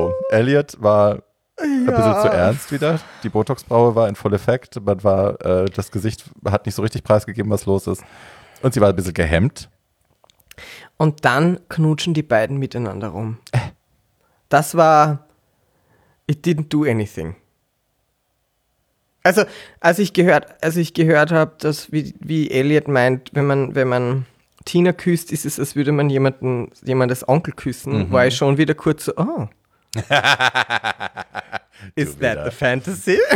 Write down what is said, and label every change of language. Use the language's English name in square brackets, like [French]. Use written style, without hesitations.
[German] Elliot war ein bisschen zu ernst wieder. Die Botox-Braue war in voll Effekt. Man war, das Gesicht hat nicht so richtig preisgegeben, was los ist. Und sie war ein bisschen gehemmt. Und dann knutschen die beiden miteinander rum. Das war, [English] it didn't do anything. [German] Also, als ich gehört habe, dass wie Elliot meint, wenn man Tina küsst, ist es, als würde man jemandes Onkel küssen, mhm, war ich schon wieder kurz so, oh. [English] Is that the fantasy?